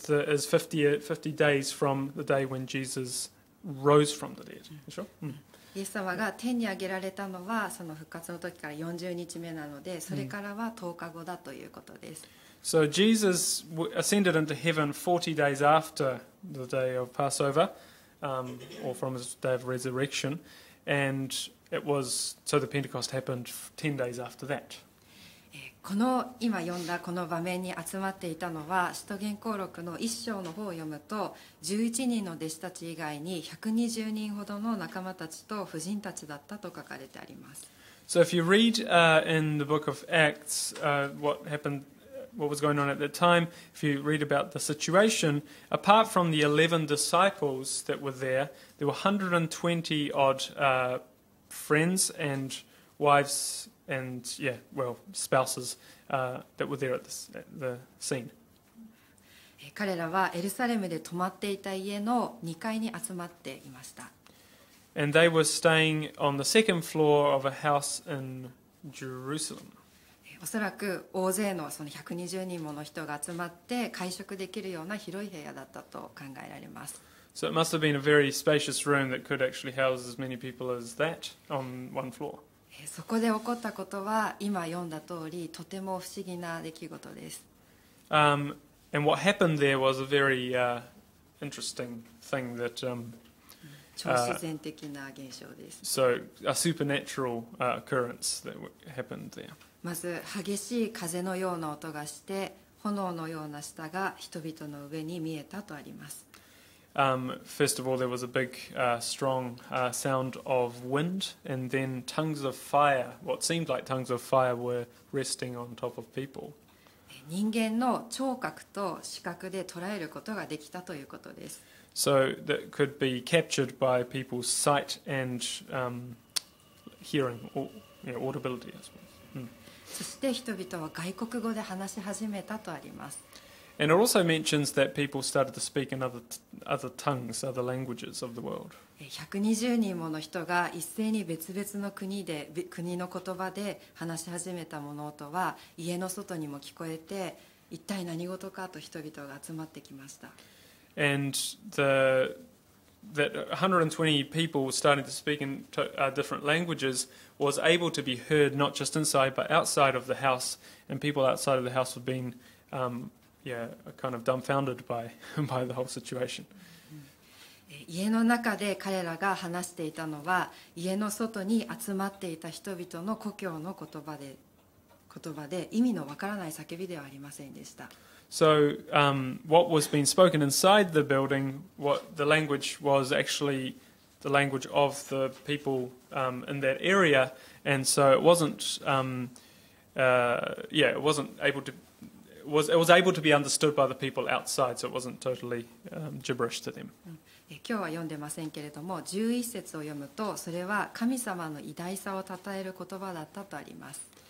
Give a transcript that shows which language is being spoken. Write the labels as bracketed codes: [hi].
[en] 50 days from the day when Jesus rose from the dead. [ja] イエス様が天に上げられたのはその復活の時から40日目なので、それからは10日後だということです。 [en] So Jesus ascended into heaven 40 days after the day of Passover, or from his day of resurrection, and it was so the Pentecost happened 10 days after that. [ja] この今読んだこの場面に集まっていたのは、使徒言行録の一章の方を読むと、11人の弟子たち以外に120人ほどの仲間たちと婦人たちだったと書かれてあります。 [en] So if you read in the book of Acts, what happened? What was going on at that time, if you read about the situation, apart from the 11 disciples that were there, there were 120 odd friends and wives and, yeah, well, spouses that were there at the scene. [ja] 彼らはエルサレムで泊まっていた家の2階に集まっていました。 [en] And they were staying on the second floor of a house in Jerusalem. [ja] おそらく大勢 その120人もの人が集まって会食できるような広い部屋だったと考えられます。 [en] So it must have been a very spacious room that could actually house as many people as that on one floor. [ja] そこで起こったことは今読んだ通りとても不思議な出来事です。 [en] And what happened there was a very interesting thing that [ja] 超自然的な現象です。 [en] So a supernatural occurrence that happened there. [ja] まず激しい風のような音がして炎のような舌が人々の上に見えたとあります。 [en] First of all, there was a big, strong, sound of wind, and then tongues of fire, what seemed like tongues of fire, were resting on top of people. [ja] 人間の聴覚と視覚で捉えることができたということです。 [en] So that could be captured by people's sight and hearing, or, you know, audibility, I suppose. [ja] そして人々は外国語で話し始めたとあります。 [en] And it also mentions that people started to speak in other tongues, other languages of the world. [ja] 120人もの人が一斉に別々の国で国の言葉で話し始めた物音は家の外にも聞こえて、一体何事かと人々が集まってきました。 [en] And that 120 people starting to speak in different languages was able to be heard not just inside but outside of the house, and people outside of the house were being kind of dumbfounded by the whole situation. [ja] 家の中で彼らが話していたのは家の外に集まっていた人々の故郷の言葉で意味のわからない叫びではありませんでした。 [en] So, what was being spoken inside the building, what the language was actually the language of the people in that area, and so it wasn't, it was able to be understood by the people outside, so it wasn't totally gibberish to them. [ja] 今日は読んでませんけれども、11節を読むと、それは神様の偉大さを称える言葉だったとあります。